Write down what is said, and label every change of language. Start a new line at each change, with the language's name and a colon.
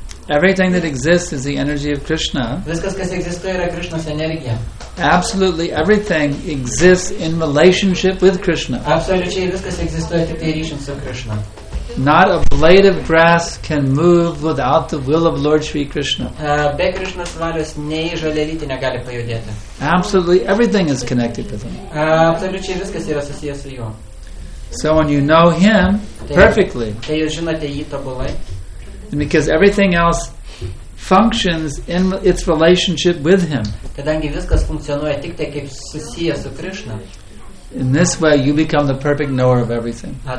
English: Everything that exists is the energy of Krishna.
Lithuanian: Viskas, kas egzistuoja, yra Krishnos energija.
English: Absolutely everything exists in relationship with Krishna.
Lithuanian: Absoliučiai viskas egzistuoja tik tai ryšium su Krishna.
English: Not a blade of grass can move without the will of Lord Shri Krishna.
Lithuanian: Be Krishna's valios nei žalėlytė negali pajudėti.
English: Absolutely everything is connected with him.
Lithuanian: Absoliučiai viskas yra susijęs su juo.
English: So when you know him perfectly,
Lithuanian: tai jūs žinote jį tobulai.
English: And because everything else functions in its relationship with him.
Lithuanian: Kadangi viskas funkcionuoja tik tai kaip susijęs su Krishna.
English: In this way, you become the perfect knower of everything.